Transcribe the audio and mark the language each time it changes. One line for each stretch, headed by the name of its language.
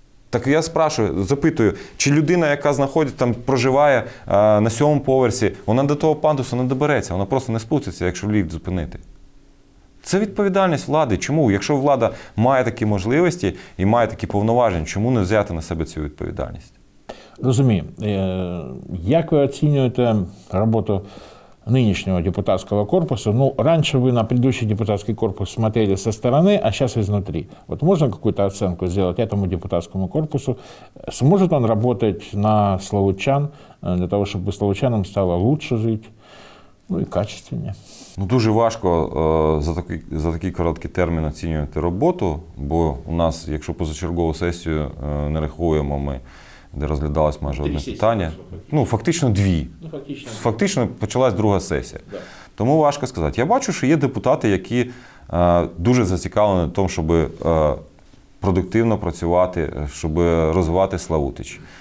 Ukrainian: Так я спрашую, запитую, чи людина, яка знаходить, там, проживає на сьомому поверсі, вона до того пандусу не добереться, вона просто не спуститься, якщо ліфт зупинити. Це відповідальність влади. Чому? Якщо влада має такі можливості і має такі повноваження, чому не взяти на себе цю відповідальність? Розумію. Як ви оцінюєте роботу нинішнього депутатського корпусу? Ну, раніше ви
Russian: на предыдущий депутатський корпус смотрели со стороны, а сейчас изнутри.
Ukrainian: От можна
Russian: какую-то оценку сделать этому депутатскому корпусу? Сможет он работать на словачан для того, щоб словачанам стало лучше жить?
Ukrainian: Ну, і качественні. Ну, дуже важко за такий короткий термін оцінювати роботу, бо у нас, якщо позачергову сесію не рахуємо ми, де розглядалось майже одне питання. Ну, фактично дві. Фактично почалась друга сесія. Да. Тому важко сказати. Я бачу, що є депутати, які дуже зацікавлені в тому, щоб продуктивно працювати, щоб розвивати Славутич.